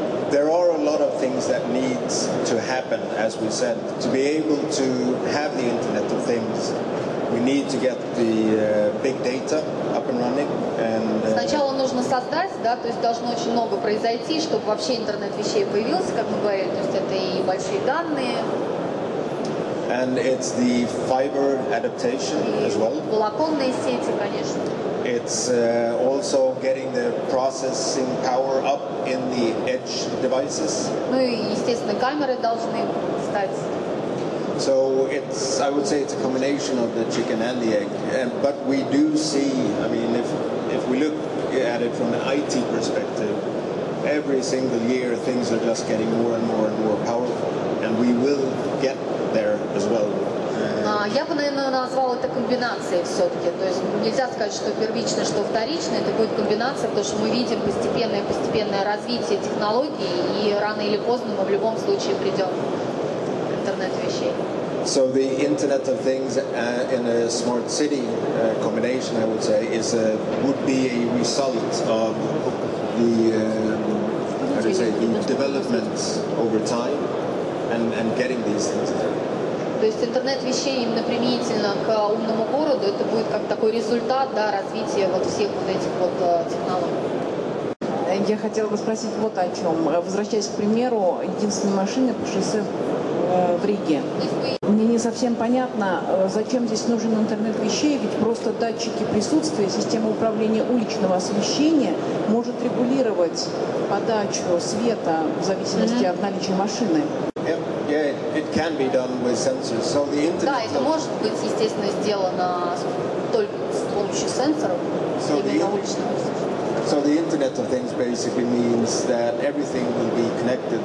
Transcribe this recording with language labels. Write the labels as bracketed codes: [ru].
[en] there are a lot of things that need to happen, as we said, to be able to have the Internet of Things. We need to get the big data up and running. And, [ru] сначала нужно создать, да, то есть должно очень много произойти, чтобы вообще интернет вещей появился, как мы говорили, то есть это и большие данные. [en] And it's the fiber adaptation as well. [ru] Волоконные сети, конечно. [en] It's also getting the processing power up in the edge devices. [ru] Ну и, естественно, камеры должны стать. [en] So it's, I would say, it's a combination of the chicken and the egg. And, but we do see, I mean, if we look at it from an IT perspective, every single year things are just getting more and more and more powerful, and we will get there as well. [ru] Я бы, наверное, назвал это комбинацией все-таки. То есть нельзя сказать, что первичное, что вторичное. Это будет комбинация, потому что мы видим постепенное развитие технологий, и рано или поздно мы в любом случае придем к интернету вещей. [en] So the Internet of Things in a smart city combination, I would say, is a, would be a result of the, how do you say, the development over time and getting these things there. [ru] То есть интернет вещей именно применительно к умному городу, это будет как такой результат, да, развития вот всех вот этих вот технологий. Я хотела бы спросить вот о чем. Возвращаясь к примеру единственной машины по шоссе в Риге. Мне не совсем понятно, зачем здесь нужен интернет вещей, ведь просто датчики присутствия, система управления уличного освещения может регулировать подачу света в зависимости от наличия машины. [en] It can be done with sensors. So the internet. [ru] Да, это может быть, естественно, сделано только с помощью сенсоров, so именно уличного. [en] So the Internet of Things basically means that everything will be connected.